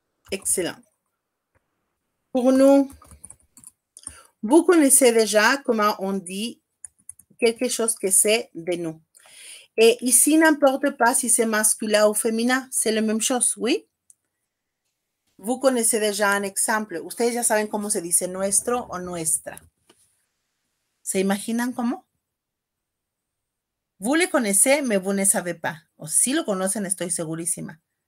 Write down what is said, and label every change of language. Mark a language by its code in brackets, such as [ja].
[fr] Excellent. Pour nous, vous connaissez déjà comment on dit quelque chose que c'est de nous. Et ici, n'importe pas si c'est masculin ou féminin, c'est la même chose, oui? Vous connaissez déjà un exemple. [es] Ustedes ya saben cómo se dice nuestro o nuestra. ¿Se imaginan cómo? [fr] Vous le connaissez, mais vous ne savez pas. [es] O si lo conocen, estoy segurísima.